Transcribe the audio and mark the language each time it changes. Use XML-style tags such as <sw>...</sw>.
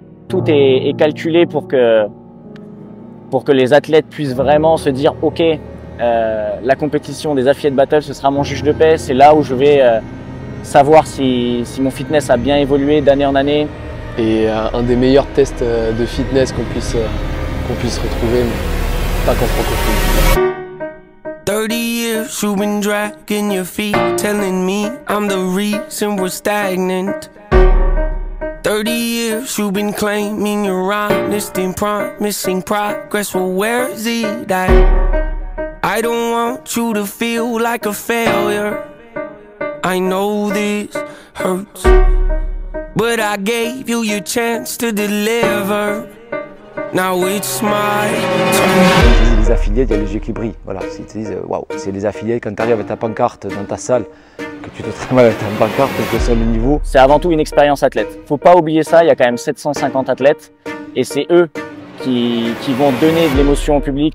<fr>Tout est calculé pour que les athlètes puissent vraiment se dire « Ok, la compétition des affiliés battle, ce sera mon juge de paix. C'est là où je vais savoir si mon fitness a bien évolué d'année en année. » Et un des meilleurs tests de fitness qu'on puisse retrouver, mais pas qu'en francophonie.</fr> <en>30 years you've been dragging your feet, telling me I'm the reason we're stagnant. 30 years you've been claiming your honest and promising progress, well where's it at? I don't want you to feel like a failure. I know this hurts. But I gave you your chance to deliver. Now it's my turn.</en> <fr>Les affiliés, il y a les yeux qui brillent. Voilà, ils te disent waouh, c'est les affiliés quand tu arrives avec ta pancarte dans ta salle, que tu te trimbales avec ta pancarte, quel que soit le niveau. C'est avant tout une expérience athlète. Faut pas oublier ça, il y a quand même 750 athlètes et c'est eux qui vont donner de l'émotion au public.</fr>